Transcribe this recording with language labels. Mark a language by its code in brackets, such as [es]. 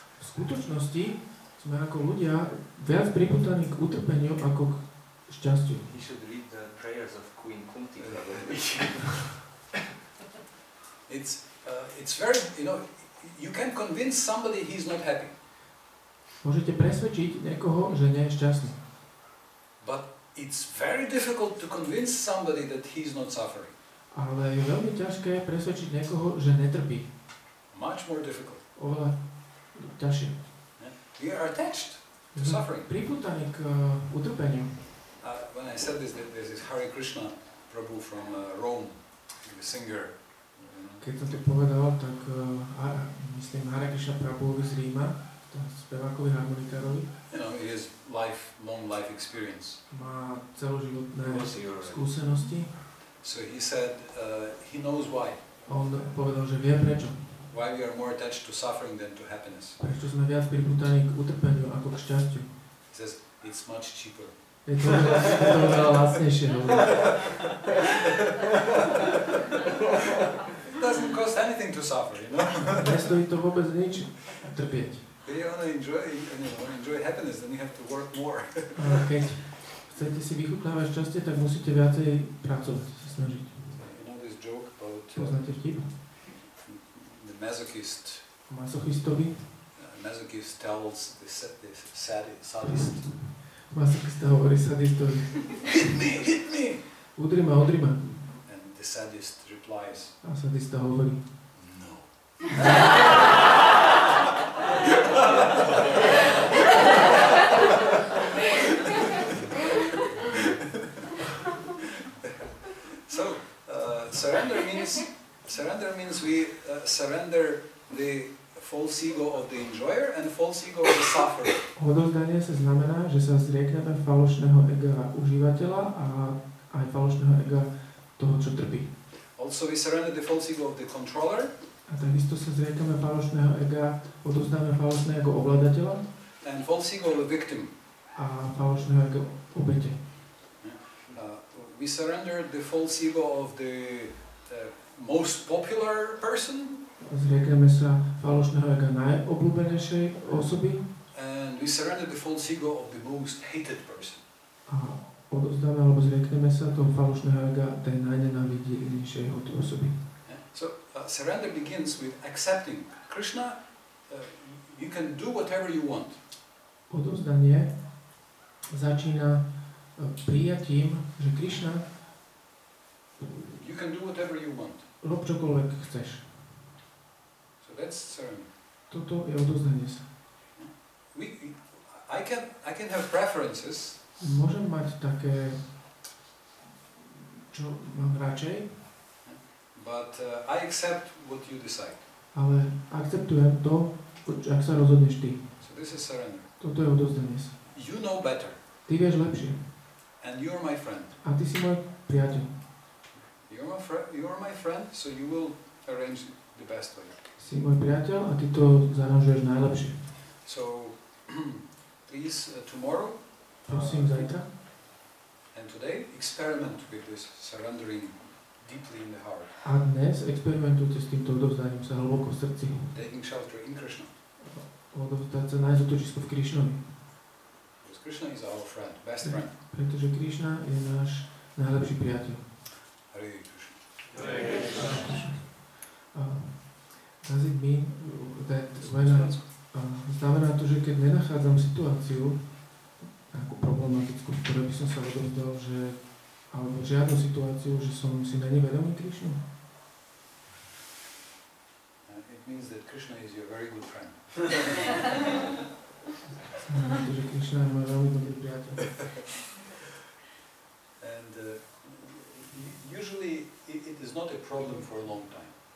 [sk] V skutočnosti sme ako ľudia viac pripútaní k utrpeniu ako k šťastiu. [en] He should read the prayers of Queen Kunti. it's very, you know, you can convince somebody he's not happy. [sk] Môžete presvedčiť niekoho, že nie je šťastný. [en] But it's very difficult to convince somebody that he's not suffering. [sk] Ale je veľmi ťažké presvedčiť niekoho, že netrpí. [en] Much more difficult. [sk] Oveľa ťažšie. [en] We are attached to suffering. [sk] Pripútaní k utrpeniu. [en] When I said this, there is Hare Krishna, Prabhu from Rome, the singer. [sk] Keď som to povedal, tak myslím Hare Krishna Prabhu z Ríma, tam spevákovi harmonikárovi. [en] You know, he has life, long life experience. [sk] Má celoživotné skúsenosti. [en] So he said, he knows why. [sk] On povedal, že vie prečo. [en] Why we are more attached to suffering than to happiness. [sk] Prečo sme viac pripútaní k utrpeniu ako k šťastiu. [en] He says, it's much cheaper. [sk] Je to oveľa lacnejšie. [en] It doesn't cost anything to suffer, you know? [sk] Nestojí to vôbec nič trpieť. [en] If you want to enjoy happiness, then you have to work more. [sk] Keď chcete si vychutnávať šťastie, tak musíte viacej pracovať, sa snažiť. [en] You know this joke about... [sk] Poznáte vtip? [en] The masochist. [sk] Masochistovi? [en] Masochist tells the sadist. [sk] Masochista hovorí sadistovi. [en] Hit me! [sk] Udri ma. [en] And the sadist replies. [sk] A sadista hovorí. [en] No. So, surrender means we surrender the false ego of the enjoyer and false ego of the sufferer. [sk] Odovzdanie sa znamená, že sa zriekneme falošného ega užívateľa a aj falošného ega toho, čo trpí. [en] Also we surrender the false ego of the controller. [sk] A takisto sa zriekneme falošného ega, odovzdáme falošné ego ovládateľa. [en] And false ego of the victim. [sk] A falošného ego obete. [en] We surrender the false ego of the most popular person. [sk] Zriekneme sa falošného ega najobľúbenejšej osoby. [en] And we surrender the false ego of the most hated person. [sk] A odovzdáme alebo zriekneme sa toho falošného ega tej najnenávidenejšej od osoby. [en] So surrender begins with accepting Krishna. You can do whatever you want. [sk] Odovzdanie začína prijatím, že Krishna, [en] you can do whatever you want. [sk] Rob čokoľvek chceš. [en] That's certain. [sk] Toto je odovzdanie sa. [en] I can have preferences. [sk] Môžem mať také, čo mám radšej. [en] But I accept what you decide. [sk] Ale akceptujem to, ak sa rozhodneš ty. [en] So this is surrender. [sk] Toto je odovzdanie sa. [en] You know better. [sk] Ty vieš lepšie. [en] And you're my friend. [sk] A ty si môj priateľ. [en] You're my friend, so you will arrange the best way. [sk] Si môj priateľ a ty to zaranžuješ najlepšie. [en] So, please tomorrow. [sk] Prosím zajtra. [en] And today experiment with this surrendering deeply in the heart. [sk] A dnes experimentujte s týmto odovzdaním sa hlboko v srdci. [en] Taking shelter in Krishna. [sk] Odovzdať sa nájsť útočisko v Krišnovi. [en] Because Krishna is our friend, best friend. [sk] Pretože Krišna je náš najlepší priateľ. Hare Krishna. Hare Krishna. [en] Does it mean that when I... [sk] Znamená to, že keď nenachádzam situáciu, nejakú problematickú, v ktorej by som sa odovzdal, že... alebo žiadnu situáciu, že som si není vedomý Krišnu? [en] It means that Krishna is your very good friend. [sk] Znamená to, že Krišna je môj veľmi dobrý priateľ. [en] And usually it is not a problem for a long time.